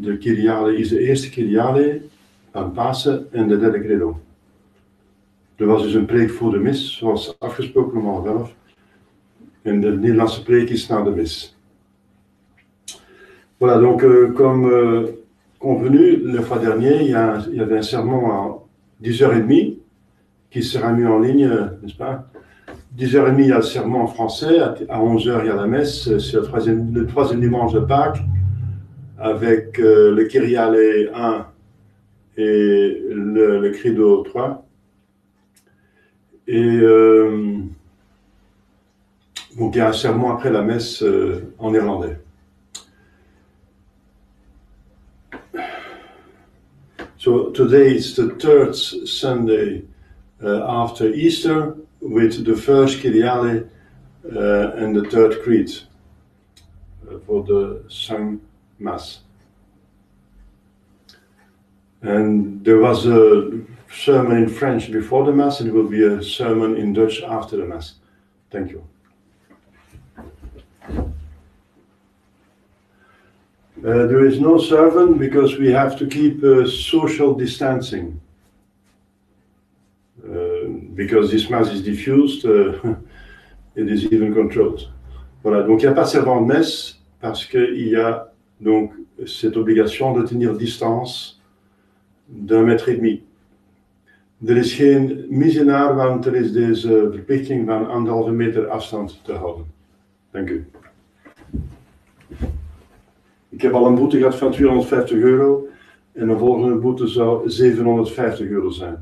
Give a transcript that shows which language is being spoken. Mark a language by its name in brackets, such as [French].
[Dutch] De Kyriale is de eerste Kyriale aan Pasen en de derde credo. Er was dus een preek voor de mis, zoals afgesproken om 11:30. En de Nederlandse preek is na de mis. [French] Voilà, donc comme convenu, le fois dernier, il y avait un sermon à 10h30 qui sera mis en ligne, n'est-ce pas? 10h30, il y a le serment en français. À 11h, il y a la messe. C'est le troisième dimanche de Pâques avec le Kyriale 1 et le Credo 3. Et donc, il y a un serment après la messe en néerlandais. [English] So, today is the third Sunday after Easter, with the first Kyriale and the third Creed for the sung Mass. And there was a sermon in French before the Mass, and it will be a sermon in Dutch after the Mass. Thank you. There is no sermon because we have to keep social distancing. Because this mass is diffused, it is even controlled. [French] Voilà, donc il n'y a pas de servant de messe, parce qu'il y a donc cette obligation de tenir distance d'un mètre et demi. [Dutch] Er is geen mis in haar, want er is deze verplichting van 1,5 meter afstand te houden. Dank u. Ik heb al een boete gehad van €250 en een volgende boete zou €750 zijn.